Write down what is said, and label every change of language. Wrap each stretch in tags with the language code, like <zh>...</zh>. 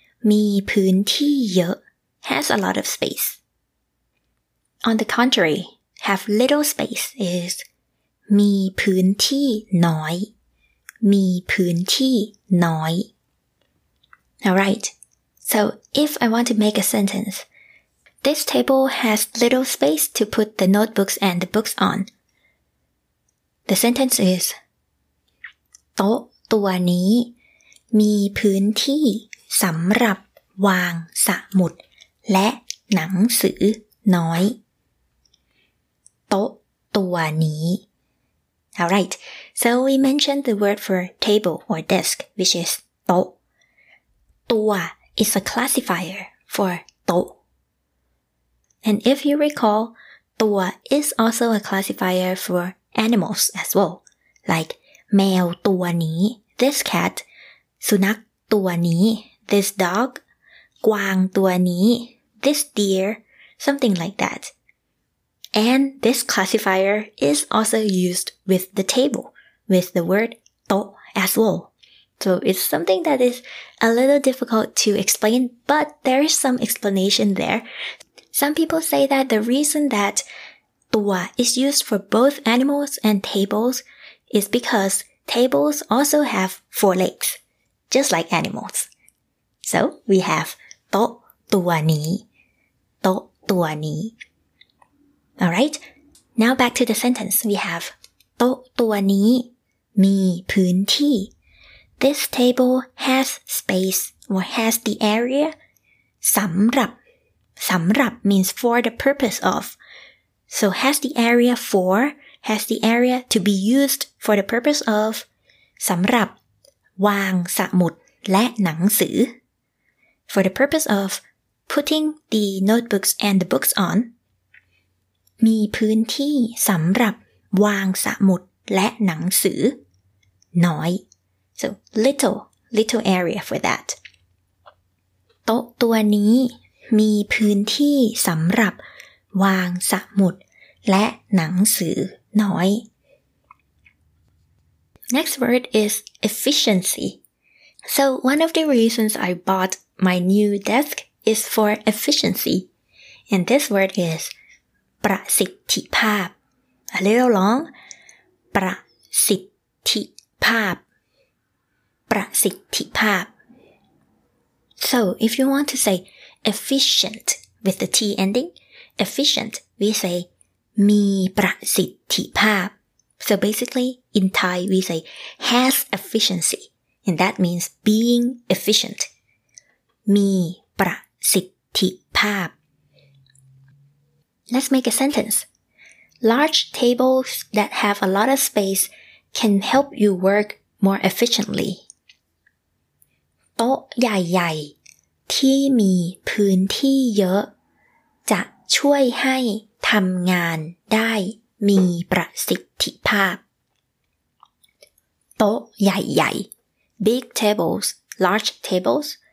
<th>มีพื้นที่เยอะ</th> <en>has a lot of space. On the contrary, have little space is</en> <th>มีพื้นที่น้อย มีพื้นที่น้อย</th> <en>All right. So, if I want to make a sentence, this table has little space to put the notebooks and the books on. The sentence is,</en> <th>โต๊ะตัวนี้มีพื้นที่สำหรับวางสมุดและหนังสือน้อย โต๊ะตัวนี้</th> <en>Alright, so we mentioned the word for table or desk, which is โต๊ะ ตัวIs a classifier for โต๊ะ And if you recall, ตัว is also a classifier for animals as well. Like,</en> <th>แมวตัวนี้</th> <en>this cat,</en> <th>สุนัขตัวนี้</th> <en>this dog,</en> <th>กวางตัวนี้</th> <en>this deer, something like that. And this classifier is also used with the table, with the word โต๊ะ as well. So it's something that is a little difficult to explain, but there is some explanation there. Some people say that the reason that ตัว is used for both animals and tables is because tables also have four legs, just like animals. So we have</en> <th>โต๊ะตัวนี้ โต๊ะตัวนี้</th> <en>All right, now back to the sentence. We have</en> <th>โต๊ะตัวนี้มีพื้นที่</th> <en>This table has space or has the area สำหรับ สำหรับ means for the purpose of. So has the area for, has the area to be used for the purpose of</en> <th>สำหรับวางสมุดและหนังสือ</th> <en>for the purpose of putting the notebooks and the books on.</en> <th>มีพื้นที่สำหรับวางสมุดและหนังสือน้อย</th> <en>So little area for that.</en> <th>โต๊ะตัวนี้มีพื้นที่สำหรับวางสมุดและหนังสือน้อย</th> <en>Next word is efficiency. So one of the reasons I bought my new desk is for efficiency. And this word is ประสิทธิภาพ A little long. ประสิทธิภาพประสิทธิภาพ So if you want to say efficient with the T ending, efficient, we say มีประสิทธิภาพ So basically, in Thai, we say has efficiency, and that means being efficient. มีประสิทธิภาพ Let's make a sentence. Large tables that have a lot of space can help you work more efficiently.</en> <th>โต๊ะใหญ่ๆที่มีพื้นที่เยอะจะช่วยให้ทำงานได้มีประสิทธิภาพ</th> <en>โต๊ะใหญ่ๆ big tables large tables</en>